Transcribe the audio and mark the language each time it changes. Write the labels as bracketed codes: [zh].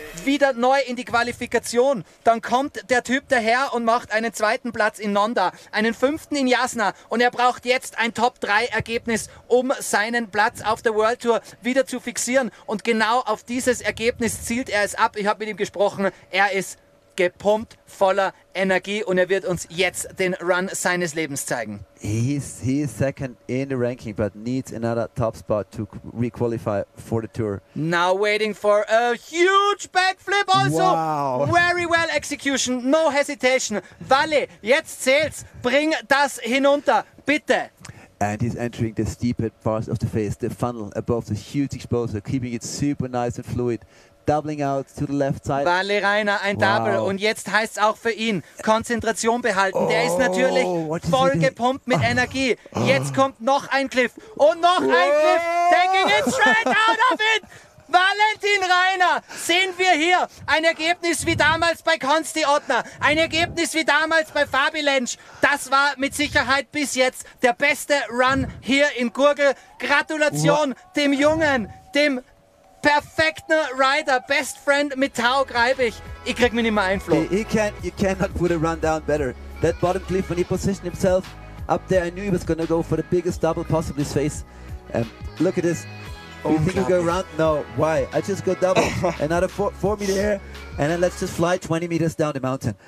[de] Wieder neu in die Qualifikation. Dann kommt der Typ daher und macht einen zweiten Platz in Nonda, einen fünften in Jasna. Und er braucht jetzt ein Top-3-Ergebnis, um seinen Platz auf der World Tour wieder zu fixieren. Und genau auf dieses Ergebnis zielt er es ab. Ich habe mit ihm gesprochen. Er ist gepumpt, voller Energie. Und er wird uns jetzt den Run seines Lebens zeigen. [en] He is second in the ranking, but needs another top spot to re-qualify for the tour. Now waiting for a huge backflip also. Wow. Very well execution, no hesitation. Valle, [de] jetzt zählt's. Bring das hinunter, bitte. [en] And he's entering the steepest part of the face, the funnel above the huge exposure, keeping it super nice and fluid. Doubling out to the left side. [de] Valle Rainer, ein wow. Double. Und jetzt heißt es auch für ihn, Konzentration behalten. Oh, der ist natürlich voll gepumpt mit Energie. Jetzt kommt noch ein Cliff. Und noch ein Cliff. [en] Taking it straight out of it. [de] Valentin Rainer, sehen wir hier ein Ergebnis wie damals bei Konsti Ottner. Ein Ergebnis wie damals bei Fabi Lentsch. Das war mit Sicherheit bis jetzt der beste Run hier in Gurgl. Gratulation dem Jungen, dem perfekter Rider, [en] best friend [de] mit Tao Greibich. Ich krieg mich nicht mehr ein, Flo. [en] You cannot put a run down better. That bottom cliff, when he positioned himself up there, I knew he was going to go for the biggest double possible his face. Look at this. You think you go around? No, why? I just go double, another 4 meter here, and then let's just fly 20 meters down the mountain.